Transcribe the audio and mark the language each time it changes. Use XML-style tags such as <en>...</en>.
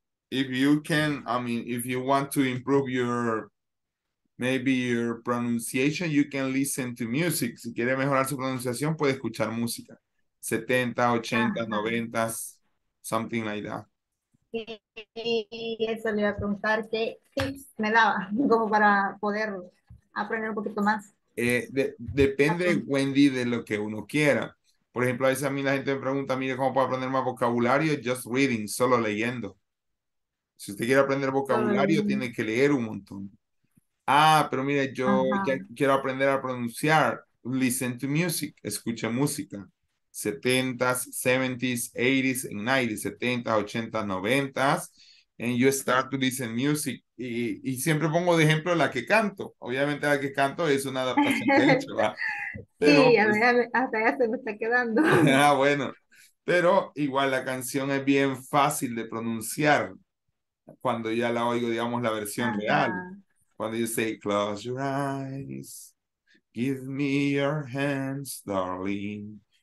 <en>If you can, I mean, if you want to improve your pronunciation, you can listen to music.</en> <es>Si quiere mejorar su pronunciación, puede escuchar música.</es> <en>70, 80, 90, something like that.</en> <es>Y eso le iba a preguntar, ¿qué tips me daba? Como para poder aprender un poquito más. Depende, Wendy, de lo que uno quiera. Por ejemplo, a veces a mí la gente me pregunta, mire, ¿cómo puedo aprender más vocabulario?</es> <en>Just reading,</en> <es>solo leyendo. Si usted quiere aprender vocabulario, tiene que leer un montón. Ah, pero mire, yo ya quiero aprender a pronunciar.</es> <en>Listen to music.</en> <es>Escucha música.</es> <en>70s, 70s, 80s, and 90s. 70s, 80s, 90s. And you start to listen music.</en> <es>Y siempre pongo de ejemplo la que canto. Obviamente la que canto es una adaptación que he hecho, ¿verdad? Pero, sí, pues, hasta ya se me está quedando. Ah, bueno. Pero igual la canción es bien fácil de pronunciar cuando ya la oigo, digamos, la versión real. Cuando</es> <en>you say, close your eyes, give me your hands, darling.</en>